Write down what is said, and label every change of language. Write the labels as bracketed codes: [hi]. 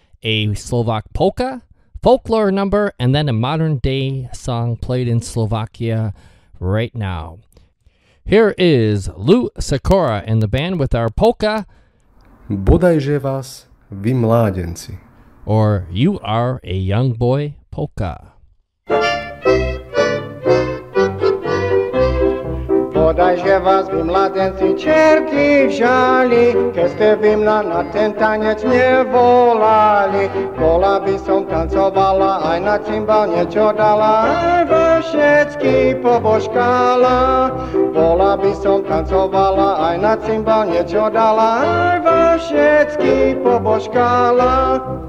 [en] A Slovak polka, folklore number, and then a modern day song played in Slovakia right now. Here is Lou Sikora and the band with our polka. [sk] Bodajže vás vy mládenci. [en] Or You Are a Young Boy polka. [sk] Bodajže vás vy mládenci čerti vžali, keď ste vy mňa na ten tanec nevolali. Bola by som tancovala, aj na cymbal niečo dala, aj vo všetky poboškala. Bola by som tancovala, aj na cymbal niečo dala, aj vo všetky poboškala.